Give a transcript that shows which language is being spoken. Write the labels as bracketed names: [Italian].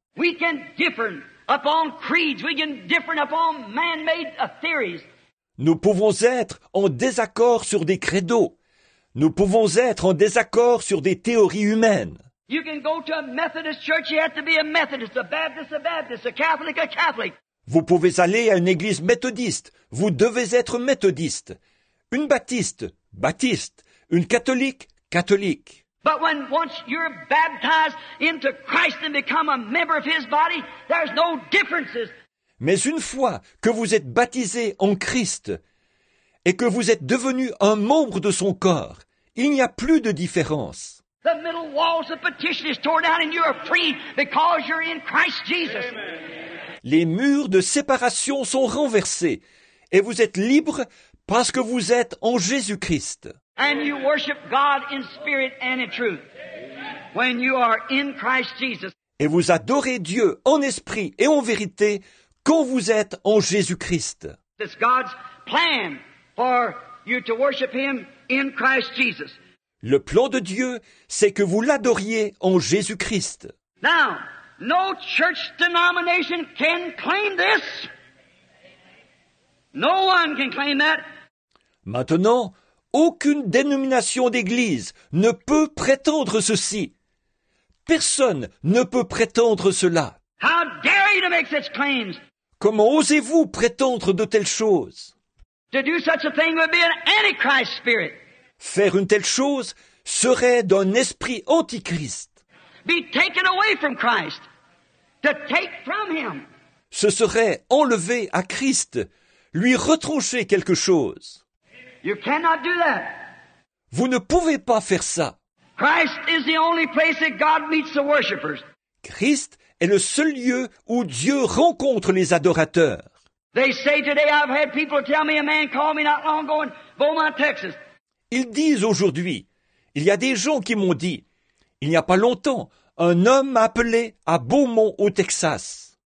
[English] We can differ upon creeds. We can differ upon man-made theories. [French] Nous pouvons être en désaccord sur des credos. Nous pouvons être en désaccord sur des théories humaines. [English] You can go to a Methodist church, you have to be a Methodist, a Baptist, a Catholic, a Catholic. [French] Vous pouvez aller à une église méthodiste, vous devez être méthodiste. Une baptiste, baptiste. Une catholique, catholique. [English] But when once you're baptized into Christ and become a member of his body, there's no differences. [French] Mais une fois que vous êtes baptisé en Christ et que vous êtes devenu un membre de son corps, il n'y a plus de différence. [English] The middle walls of partition is torn down and you are free because you're in Christ Jesus. Amen. [French] Les murs de séparation sont renversés et vous êtes libre parce que vous êtes en Jésus-Christ. [English] And you worship God in spirit and in truth. Amen. When you are in Christ Jesus. [French] Et vous adorez Dieu en esprit et en vérité quand vous êtes en Jésus-Christ. [English] It's God's plan for you to worship him in Christ Jesus. [French] Le plan de Dieu, c'est que vous l'adoriez en Jésus-Christ. [English] Now, no church denomination can claim this. No one can claim that. [French] Maintenant, aucune dénomination d'église ne peut prétendre ceci. Personne ne peut prétendre cela. [English] How dare you to make such claims? [French] Comment osez-vous prétendre de telles choses? [English] To do such a thing would be an antichrist spirit. [French] Faire une telle chose serait d'un esprit antichrist. [English] Be taken away from Christ, to take from him. [French] Ce serait enlever à Christ, lui retrancher quelque chose. [English] You cannot do that. [French] Vous ne pouvez pas faire ça. [English] Christ is the only place that God meets the worshipers. [French] Christ est le seul lieu où Dieu rencontre les adorateurs. [English] They say today I've had people tell me a man called me not long ago in Beaumont, Texas. [French] Ils disent aujourd'hui, il y a des gens qui m'ont dit, il n'y a pas longtemps, un homme m'a appelé à Beaumont au Texas.